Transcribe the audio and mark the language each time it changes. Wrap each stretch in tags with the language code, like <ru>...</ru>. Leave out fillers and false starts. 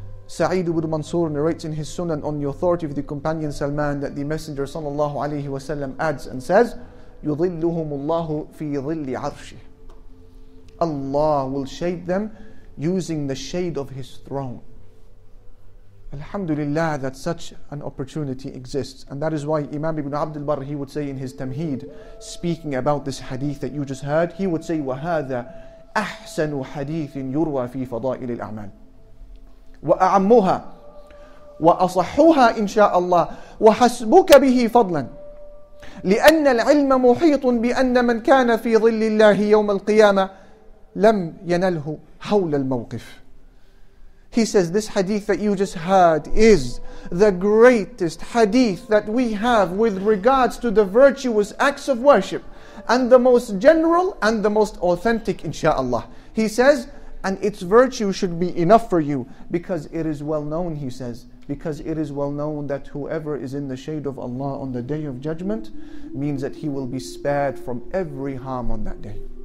<en>Sa'id ibn Mansur narrates in his Sunan on the authority of the companion Salman that the Messenger sallallahu alayhi wa sallam adds and says,</en> <ar>يُظِلُّهُمُ اللَّهُ فِي ظِلِّ عَرْشِهِ.</ar> <en>Allah will shade them using the shade of His throne. Alhamdulillah that such an opportunity exists. And that is why Imam Ibn Abdul Barr, he would say in his Tamheed, speaking about this hadith that you just heard, he would say,</en> <ar>وَهَذَا أَحْسَنُ حَدِيثٍ يُرْوَى فِي فَضَائِلِ الْأَعْمَالِ وأعمها وأصحها إن شاء الله وحسبك به فضلا لأن العلم محيط بأن من كان في ظل الله يوم القيامة لم ينله حول الموقف.</ar> <en>He says this hadith that you just heard is the greatest hadith that we have with regards to the virtuous acts of worship and the most general and the most authentic إن شاء الله. He says, and its virtue should be enough for you because it is well known, he says, because it is well known that whoever is in the shade of Allah on the day of judgment means that he will be spared from every harm on that day.</en>